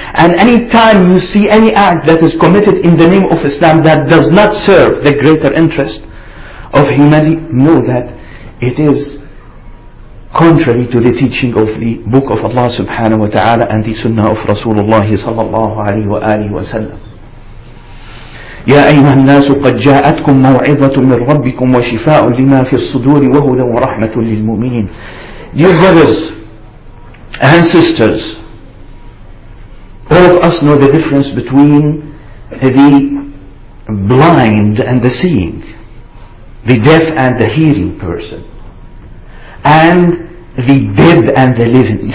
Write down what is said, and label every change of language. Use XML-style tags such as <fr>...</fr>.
<en>And any time you see any act that is committed in the name of Islam that does not serve the greater interest of humanity, know that it is contrary to the teaching of the book of Allah subhanahu wa ta'ala and the sunnah of Rasulullah sallallahu alayhi wa alihi wa sallam.</en> <ar>يا أيها الناس قد جاءتكم موعظة من ربكم وشفاء لما في الصدور وهدى ورحمة للمؤمنين.</ar> <en>Dear brothers and sisters, all of us know the difference between the blind and the seeing, the deaf and the hearing person, and the dead and the living.</en>